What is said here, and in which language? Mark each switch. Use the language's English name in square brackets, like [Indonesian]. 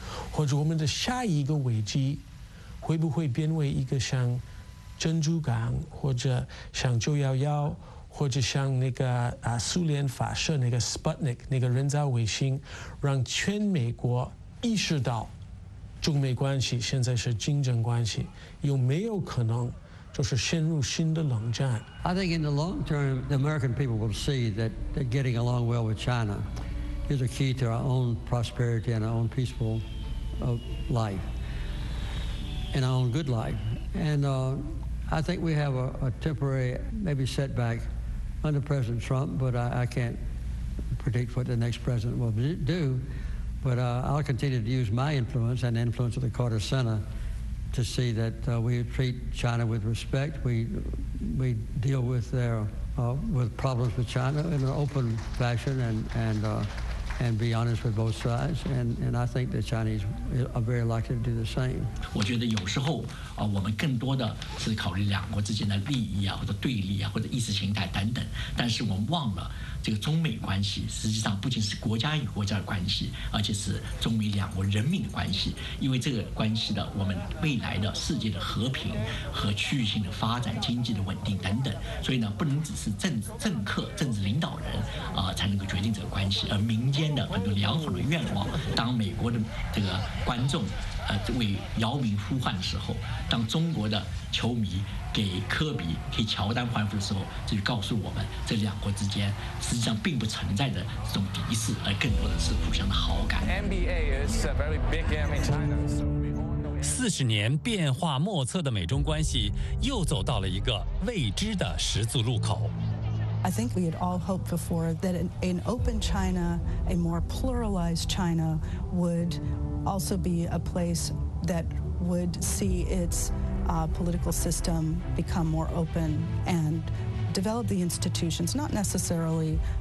[Chinese] 或者我们的下一个危机会不会变为一个像珍珠港或者像911或者像那个苏联发射那个 Sputnik 那个人造卫星，让全美国意识到中美关系现在是竞争关系，有没有可能就是陷入新的冷战？ [English] I think in the long term, the American people will see that they're getting along well with China. is a key to our own prosperity and our own peaceful life and our own good life. And I think we have a temporary maybe setback under President Trump, but I can't predict what the next president will do. But I'll continue to use my influence and the influence of the Carter Center to see that we treat China with respect. We deal with their with problems with China in an open fashion and be honest with both sides. And I think the Chinese are very likely to do the same. [Chinese] 我觉得有时候啊，我们更多的是考虑两国之间的利益啊，或者对立啊，或者意识形态等等。但是我们忘了，这个中美关系实际上不仅是国家与国家的关系，而且是中美两国人民的关系。因为这个关系的我们未来的世界的和平和区域性的发展、经济的稳定等等。所以呢，不能只是政客、政治领导人啊才能够决定这个关系，而民间的很多良好的愿望，当美国的这个观众。为姚明呼唤的时候，当中国的球迷给科比、给乔丹欢呼的时候，这就告诉我们，这两国之间实际上并不存在着这种敌视，而更多的是互相的好感。 [English] NBA is a very big game in China. [Chinese] 40年变化莫测的美中关系，又走到了一个未知的十字路口。 [English] I think we had all hoped before that an open China, a more pluralized China, would also be a place that would see its political system become more open and develop the institutions, not necessarily